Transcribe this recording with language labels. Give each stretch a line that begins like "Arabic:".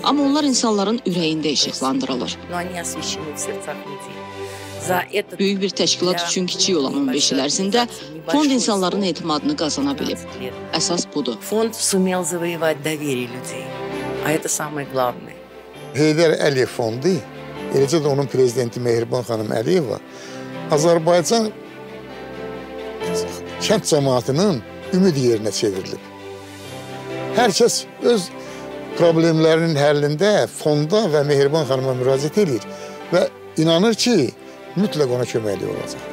Azerbaijani: Ама onlar insanların ürəyində işıqlandırılır.
Russian: Но они освещены в сердцах людей. За этот...
Azerbaijani: Büyük bir təşkilat üçün kiçik olan 15 il ərzində fond insanların etimadını qazana bilib. Əsas budur.
Russian: Fond сумел завоевать доверие людей. А это самое главное.
Azerbaijani: Heydər Əliyev fondu, eləcə də onun prezidenti Mehriban xanım Əliyeva, Azərbaycan kənd cəmaatının ümid yerinə çevrilib. Hər kəs öz problemlərinin həllində fonda və Mehriban xanıma müraciət edir və inanır ki, mütləq ona köməkli olacaq.